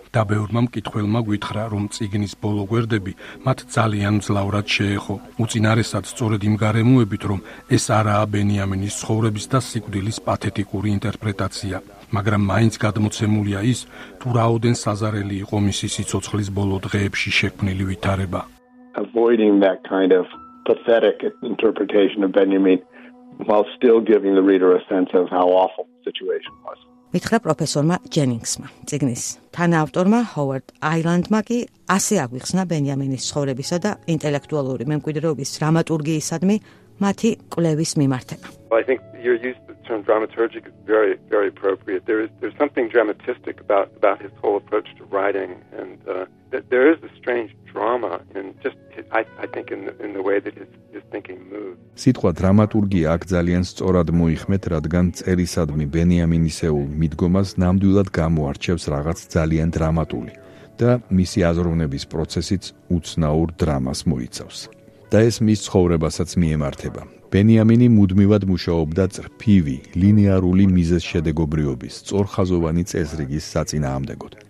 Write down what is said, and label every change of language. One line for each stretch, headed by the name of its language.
Georgian: და ბევრმა მკითხველმა გვითხრა, რომ წიგნის ბოლო გვერდები მათ ძალიან ძლავრად შეეხო. უწინარესად სწორედ იმ გარემოებით, რომ ეს არაა ბენიამინის ცხოვრების და სიკვდილის პათეტიკური ინტერპრეტაცია. მაგრამ მაინც გადმოცემულია ის, თუ რაოდენ საზარელი იყო მისი სიცოცხლის ბოლო დღეებში შექმნილი ვითარება.
English: Avoiding that kind of pathetic interpretation of Benjamin while still giving the reader a sense of how awful the situation was.
Georgian: მითხრა პროფესორმა ჯენინგსმა წიგნის თანაავტორმა ჰოვარდ აილანდმა კი ასე აგვიხსნა ბენიამინის ცხოვრებისა და ინტელექტუალური მემკვიდრეობის დრამატურგიისადმი მათი კვლევის მიმართება.
English: I think you're used to the term dramaturgic is very very appropriate. There's something dramatistic about his whole approach to writing and there is a strange drama in just I think in the way that his thinking moves.
Georgian: სიტყვა დრამატურგია აქ ძალიან სწორად მოიხმეთ, რადგან წერისადმი ბენიამინისეულ მიდგომას ნამდვილად გამოარჩევს რაღაც ძალიან დრამატული და მისი აზროვნების პროცესიც უცნაურ დრამას მოიცავს. და ეს მის ცხოვრებასაც მიემართება. ბენიამინი მუდმივად მუშაობდა წრფივი, ლინეარული მიზეზშედეგობრიობის, წორხაზოვანი წესრიგის საწინააღმდეგოდ.